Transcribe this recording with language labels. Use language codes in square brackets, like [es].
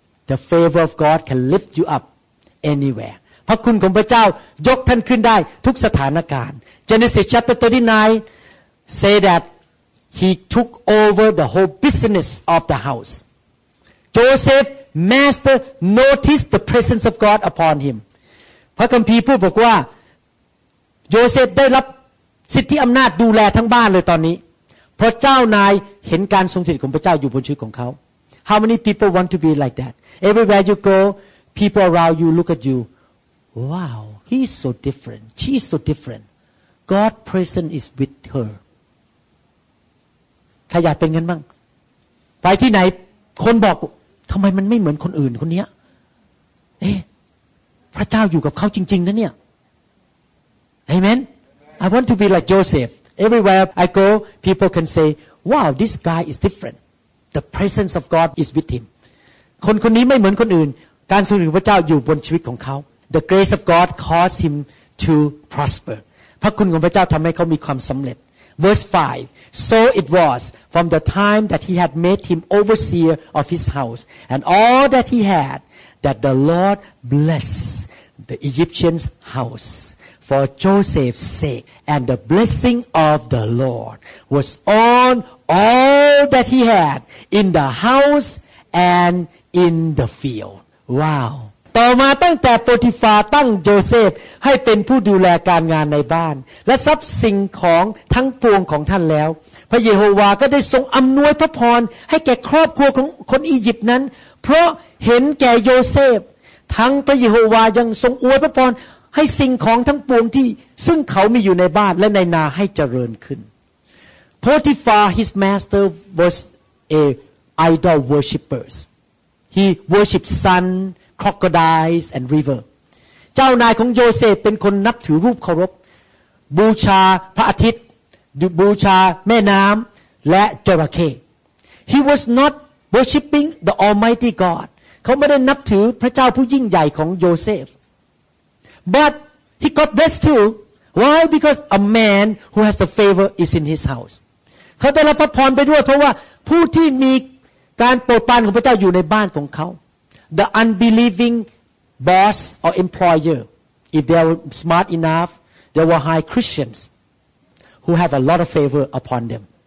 [en] The favor of God can lift you up anywhere [th] พระคุณของพระเจ้ายกท่านขึ้นได้ทุกสถานการณ์ [en] Genesis chapter 39 say that he took over the whole business of the house JosephMaster noticed the presence of God upon him. [th] พระคัมภีร์พูดบอกว่าโยเซฟได้รับสิทธิอำนาจดูแลทั้งบ้านเลยตอนนี้เพราะเจ้านายเห็นการทรงสถิตของพระเจ้าอยู่บนชีวิตของเขา [en] How many people want to be like that? Everywhere you go, people around you look at you. Wow, he's so different. She's so different. God's presence is with her. [th] ใครอยากเป็นงั้นบ้างไปที่ไหนคนบอกทำไมมันไม่เหมือนคนอื่นคนนี้เอ๊พระเจ้าอยู่กับเขาจริงๆนะเนี่ย [en] Amen I want to be like Joseph Everywhere I go people can say wow this guy is different the presence of God is with him [th] คนคนนี้ไม่เหมือนคนอื่นการทรงสถิตของพระเจ้าอยู่บนชีวิตของเขา [en] The grace of God caused him to prosper [th] พระคุณของพระเจ้าทำให้เขามีความสำเร็จ [en] Verse 5, so it was from the time that he had made him overseer of his house and all that he had that the Lord blessed the Egyptian's house for Joseph's sake. And the blessing of the Lord was on all that he had in the house and in the field. Wow. [th] ต่อมาตั้งแต่โปรติฟาตั้งโยเซฟให้เป็นผู้ดูแลการงานในบ้านและทรัพย์สินของทั้งปวงของท่านแล้วพระเยโฮวาก็ได้ทรงอำนวยพระพรให้แก่ครอบครัวของคนอียิปต์นั้นเพราะเห็นแก่โยเซฟทั้งพระเยโฮวายังทรงอวยพระพรให้สิ่งของทั้งปวงที่ซึ่งเขามีอยู่ในบ้านและในนาให้เจริญขึ้น [en] Potiphar his master was a idol worshippers he worshipped sun crocodiles and river [th] เจ้านายของโยเซฟเป็นคนนับถือรูปเคารพบูชาพระอาทิตย์บูชาแม่น้ำและจระเข้ [en] he was not worshipping the almighty god [th] เขาไม่ได้นับถือพระเจ้าผู้ยิ่งใหญ่ของโยเซฟ [en] But he got blessed too. Why? Because a man who has the favor is in his house. [th] เขาได้รับพระพรไปด้วยเพราะว่าผู้ที่มีการโปรดปรานของพระเจ้าอยู่ในบ้านของเขา [en] The unbelieving boss or employer, if they are smart enough, they were high Christians who have a lot of favor upon them.